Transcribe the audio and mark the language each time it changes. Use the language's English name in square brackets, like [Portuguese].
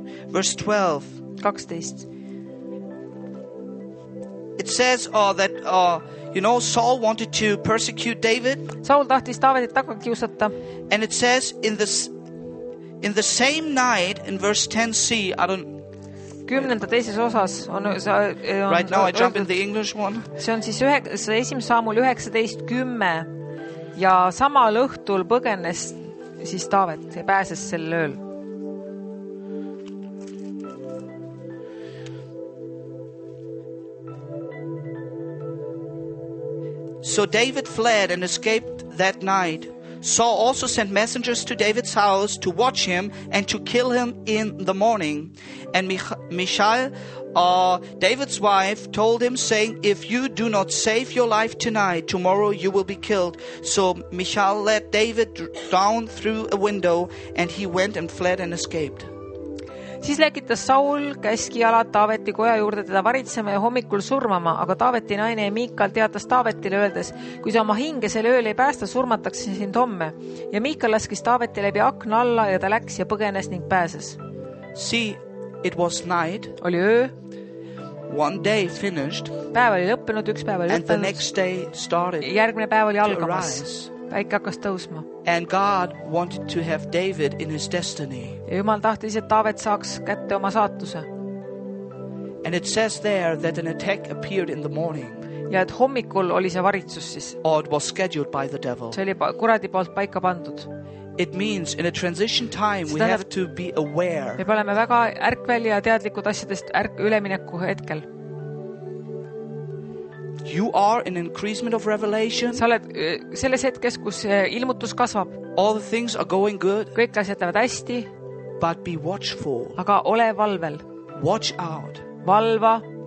[English] Verse 12. It says that you know Saul wanted to persecute David. [Estonian] Saul tahtis Daavidit taga kiusata. [English] And it says in the same night in verse 10C, I don't. [Estonian] Kümnenda teises osas on [English] right now I jump in the English one. [Estonian] See on siis esimese Saamueli 19:10 ja samal õhtul põgenes siis Daavid ja pääses sel ööl. [English] So David fled and escaped that night. Saul also sent messengers to David's house to watch him and to kill him in the morning. And Michal, David's wife, told him, saying, "If you do not save your life tonight, tomorrow you will be killed." So Michal let David down through a window, and he went and fled and escaped. [Estonian] Siis läkitas Saul käski jalad Taaveti koja juurde teda varitsema ja hommikul surmama, aga Taaveti naine ja Miikal teatas Taavetile öeldes, kui sa oma hinge selle ööl ei päästa, surmatakse sind homme. Ja Miikal laskis Taaveti läbi akna alla ja ta läks ja põgenes ning pääses. [English] See, it was night. [Estonian] Oli öö. [English] One day finished. [Estonian] Päev oli lõppenud, üks päev oli lõppenud. [English] And the next day started. [Estonian] Järgmine päev oli algamas. Päike hakkas tõusma. [English] And God wanted to have David in his destiny. [Estonian] Ja Jumal tahtis, et David saaks kätte oma saatuse. [English] And it says there that an attack appeared in the morning. [Estonian] Ja et hommikul oli see varitsus siis. [English] Or it was scheduled by the devil. [Estonian] See oli kuradi poolt paika pandud. [English] It means in a transition time we have to be aware. [Estonian] Me oleme väga ärkvälja teadlikud asjadest ülemineku hetkel. [English] You are an increasement of revelation. [Estonian] Sa oled selles hetkes, kus ilmutus kasvab. [English] All the things are going good. [Estonian] Kõik asjatavad hästi. [English] But be watchful. [Estonian] Aga ole valvel. [English] Watch out. [Estonian] Valva.